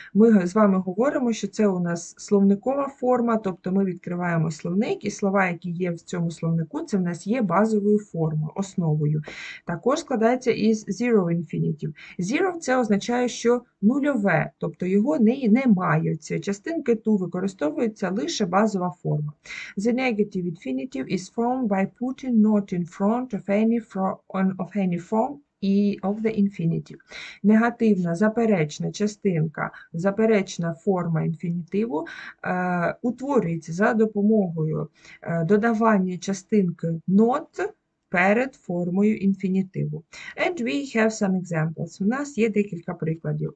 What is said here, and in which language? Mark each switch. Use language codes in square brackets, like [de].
[uk] Ми з вами говоримо, що це у нас словникова форма, тобто ми відкриваємо словник, і слова, які є в цьому словнику, це в нас є базовою формою, основою. Також складається із zero infinitive. Zero – це означає, що нульове, тобто його немає. Ці частинки ту використовується лише базова форма. [en] The negative infinitive is formed by putting not in front of any form і of the infinitive. [uk] Негативна, заперечна частинка, заперечна форма інфінітиву утворюється за допомогою додавання частинки not перед формою інфінітиву. [en] And we have some examples. [uk] У нас є декілька прикладів.